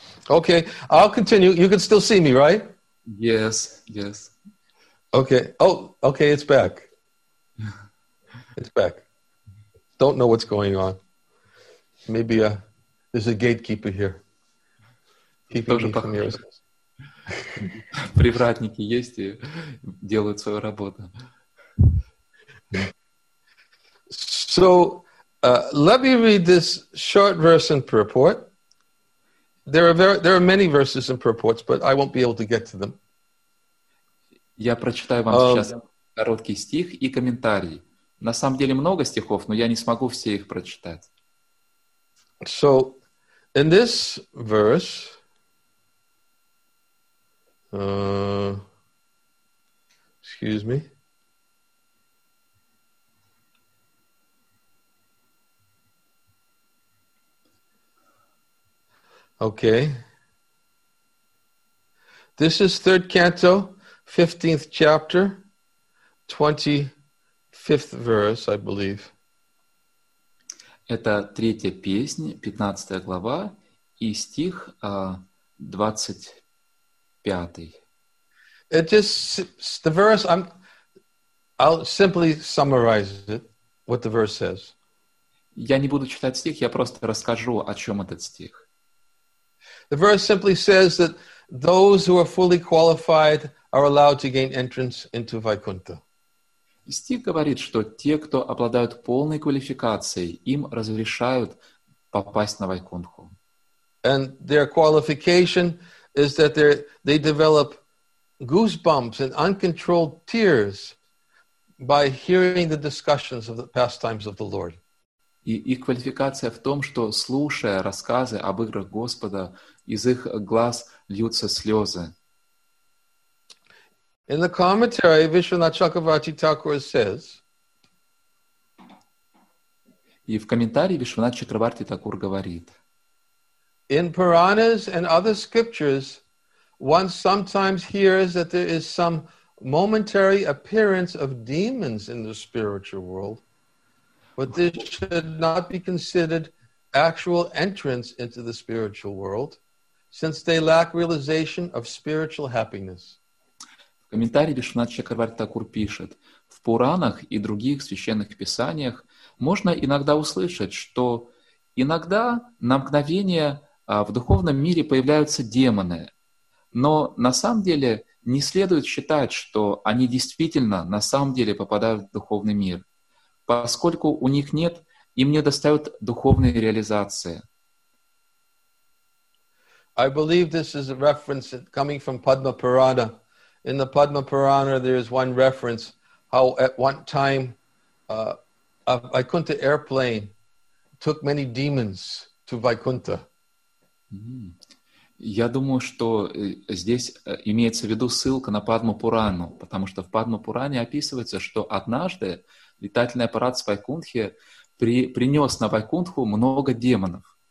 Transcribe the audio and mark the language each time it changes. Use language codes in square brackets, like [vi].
[en] Okay, I'll continue. You can still see me, right? Yes, yes. Okay. Oh, okay, it's back. It's back. Don't know what's going on. Maybe there's a gatekeeper here. Keeping me from your assistance. [ru] Привратники есть и делают свою работу. [en] So let me read this short verse in purport. There are many verses in purports, but I won't be able to get to them. [ru] Я прочитаю вам сейчас короткий стих и комментарий. На самом деле много стихов, но я не смогу все их прочитать. [en] So, in this verse, excuse me. Okay. This is third canto, 15th chapter, 25th verse, I believe. [ru] Это третья песнь, 15 глава, и стих 25. [en] It just the verse I'll simply summarize it, what the verse says. [ru] Я не буду читать стих, я просто расскажу, о чем этот стих. [en] The verse simply says that those who are fully qualified are allowed to gain entrance into Vaikuntha. [ru] Стих говорит, что те, кто обладают полной квалификацией, им разрешают попасть на Вайкунху. [en] And their qualification is that they develop goosebumps and uncontrolled tears by hearing the discussions of the pastimes of the Lord. [ru] И их квалификация в том, что, слушая рассказы об играх Господа, из их глаз льются слезы. [en] In the commentary, Vishwanath Chakravarti Thakur says, [ru] и в комментарии Вишванат Чакраварти Такур говорит, [en] in Puranas and other scriptures, one sometimes hears that there is some momentary appearance of demons in the spiritual world. But this should not be considered actual entrance into the spiritual world, since they lack realization of spiritual happiness. [ru] В комментарии Вишванат Чакраварти Такур пишет, в Пуранах и других священных писаниях можно иногда услышать, что иногда на мгновение в духовном мире появляются демоны, но на самом деле не следует считать, что они действительно на самом деле попадают в духовный мир. Поскольку у них нет, им не достают духовной реализации. [en] I believe this is a reference coming from Padma Purana. In the Padma Purana, there is one reference how at one time a Vaikuntha airplane took many demons to Vaikuntha. [ru] Я думаю, что здесь имеется в виду ссылка на Падму Пурану, потому что в Падму Пуране описывается, что однажды летательный аппарат с Вайкунтхи принес на Вайкунтху много демонов.